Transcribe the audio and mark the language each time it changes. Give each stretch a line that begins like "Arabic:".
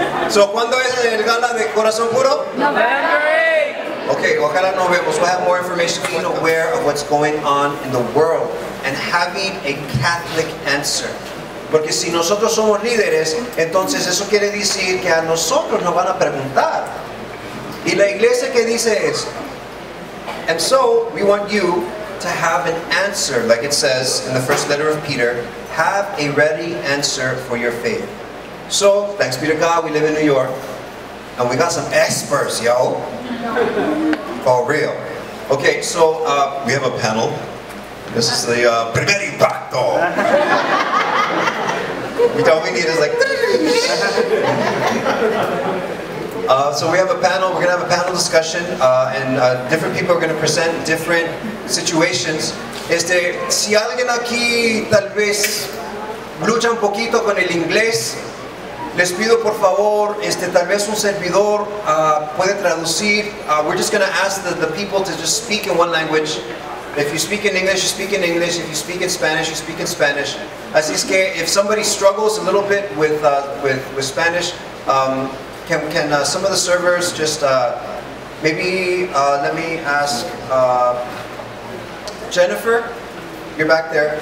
Spanish: So, ¿cuándo es el gala de Corazón Puro?
English: November 8.
Spanish: Okay, ojalá nos vemos.
English: We'll have more information, being aware of what's going on in the world and having a Catholic answer.
Spanish: Porque si nosotros somos líderes, entonces eso quiere decir que a nosotros nos van a preguntar. Y la iglesia que dice es...
English: And so, we want you to have an answer, like it says in the first letter of Peter, have a ready answer for your faith. So, thanks be to God, we live in New York, and we got some experts, yo. For real. Okay, so, we have a panel. This is the primer impacto. All we need is like... So we have a panel, we're going to have a panel discussion, and different people are going to present different situations.
Spanish: Este, si alguien aquí tal vez lucha un poquito con el inglés, les pido por favor, este, tal vez un servidor puede traducir.
English: We're just going to ask the people to just speak in one language. If you speak in English, you speak in English. If you speak in Spanish, you speak in Spanish.
Spanish: Así es que,
English: if somebody struggles a little bit with Spanish, Can some of the servers just let me ask Jennifer, you're back there.